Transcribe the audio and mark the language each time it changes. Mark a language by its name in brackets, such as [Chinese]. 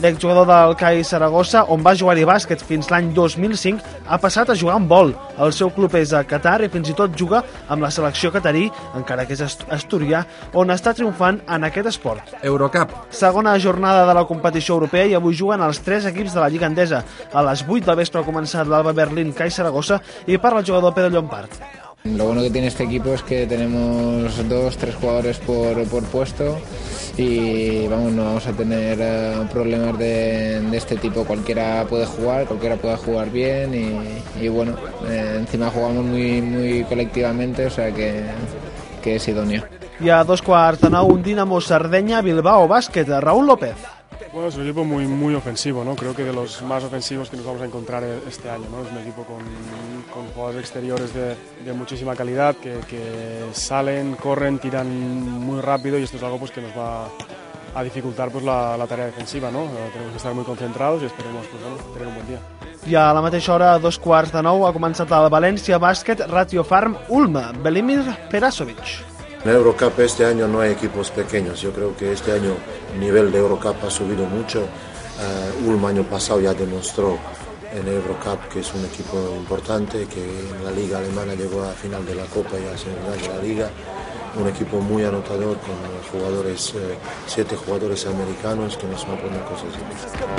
[Catalan] L'exjugador del CAI Saragossa, on va jugar-hi bàsquet fins l'any 2005, ha passat a jugar amb vol. El seu club és a Qatar i fins i tot juga amb la selecció qatarí, encara que és asturià, on està triomfant en aquest esport. Eurocup. Segona jornada de la competició europea i avui juguen els tres equips de la Lliga Endesa. A les 8 del vespre ha començat l'Alba Berlín, CAI Saragossa, i parla el jugador Pedro Llompart. [Spanish] Lo bueno que tiene este equipo es que tenemos dos, tres jugadores por puesto y vamos, no vamos a tener problemas de este tipo. Cualquiera puede jugar bien y bueno, encima jugamos muy, muy colectivamente, o sea que es idóneo. Y a 2:15, un Dinamo Sardeña Bilbao Basket, Raúl López. Bueno, es un equipo muy, muy ofensivo, ¿no? Creo que de los más ofensivos que nos vamos a encontrar este año, ¿no? Es un equipo con jugadores exteriores de muchísima calidad, que salen, corren, tiran muy rápido, y esto es algo pues que nos va a dificultar pues la tarea defensiva, ¿no? Tenemos que estar muy concentrados y esperemos pues, bueno, tener un buen día. [Catalan] I a la mateixa hora, 2:15, ha començat el València Bàsquet Ratio Farm Ulm, Belimir Perasovic. [Spanish] En el Eurocup este año no hay equipos pequeños. Yo creo que este año el nivel de Eurocup ha subido mucho. Ulm año pasado ya demostró en el Eurocup que es un equipo importante, que en la Liga Alemana llegó a final de la Copa y a semifinal de la Liga. Un equipo muy anotador con jugadores, siete jugadores americanos que nos van a poner cosas difíciles.